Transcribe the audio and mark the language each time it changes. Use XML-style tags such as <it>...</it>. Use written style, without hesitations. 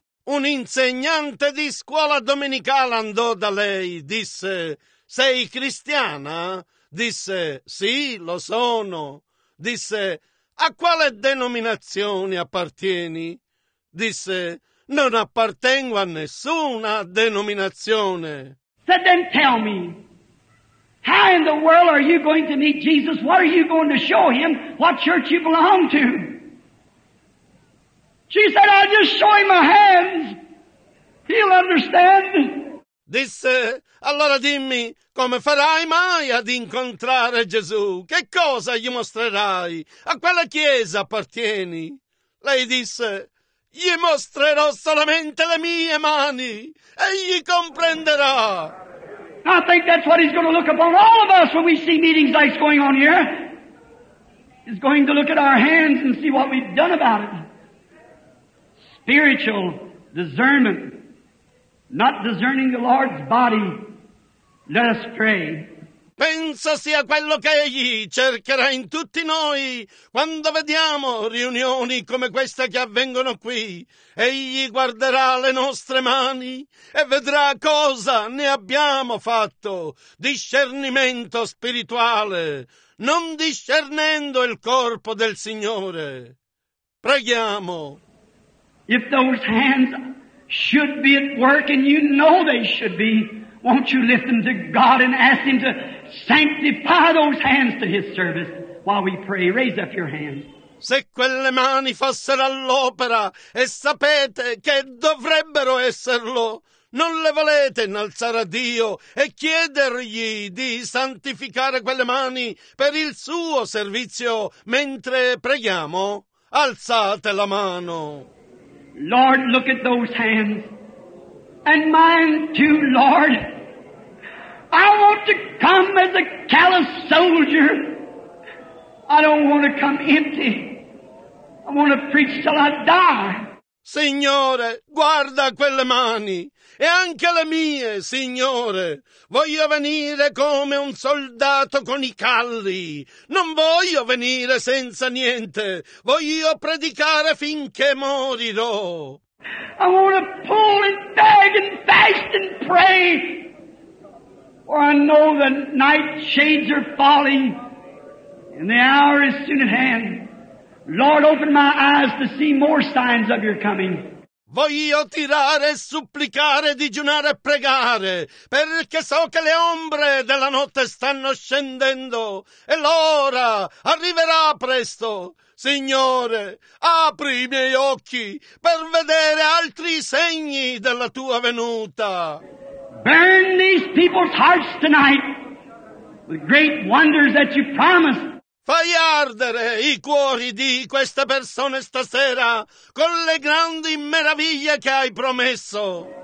<it>Un insegnante di scuola domenicale andò da lei, disse, sei cristiana? Disse, sì, lo sono. Disse, a quale denominazione appartieni? Disse, non appartengo a nessuna denominazione.</it> <en>Said, then tell me. How in the world are you going to meet Jesus? What are you going to show him what church you belong to? She said, I'll just show him my hands. He'll understand.</en> <it>Disse, allora dimmi, come farai mai ad incontrare Gesù? Che cosa gli mostrerai? A quale chiesa appartieni? Lei disse, gli mostrerò solamente le mie mani. Egli comprenderà.</it> <en>I think that's what he's going to look upon all of us when we see meetings like this going on here. He's going to look at our hands and see what we've done about it. Spiritual discernment, not discerning the Lord's body. Let us pray.</en> <it>penso sia quello che egli cercherà in tutti noi. Quando vediamo riunioni come queste che avvengono qui, egli guarderà le nostre mani e vedrà cosa ne abbiamo fatto. Discernimento spirituale, non discernendo il corpo del Signore. Preghiamo.</it> <en>If those hands should be at work, and you know they should be, won't you lift them to God and ask Him to sanctify those hands to His service while we pray? Raise up your hands.</en> <it>Se quelle mani fossero all'opera, e sapete che dovrebbero esserlo, non le volete innalzare a Dio e chiedergli di santificare quelle mani per il suo servizio mentre preghiamo? Alzate la mano.</it> <en>Lord, look at those hands. And mine too, Lord. I want to come as a callous soldier. I don't want to come empty. I want to preach till I die.</en> <it>Signore, guarda quelle mani, e anche le mie, Signore. Voglio venire come un soldato con i calli. Non voglio venire senza niente. Voglio predicare finché morirò.</it> <en>I want to pull and beg and fast and pray. For I know the night shades are falling, and the hour is soon at hand. Lord, open my eyes to see more signs of your coming.</en> <it>Voglio tirare, supplicare, digiunare e pregare, perché so che le ombre della notte stanno scendendo, e l'ora arriverà presto. Signore, apri i miei occhi per vedere altri segni della tua venuta.</it> <en>Burn these people's hearts tonight with great wonders that you promised.</en> <it>Fai ardere i cuori di queste persone stasera con le grandi meraviglie che hai promesso.</it>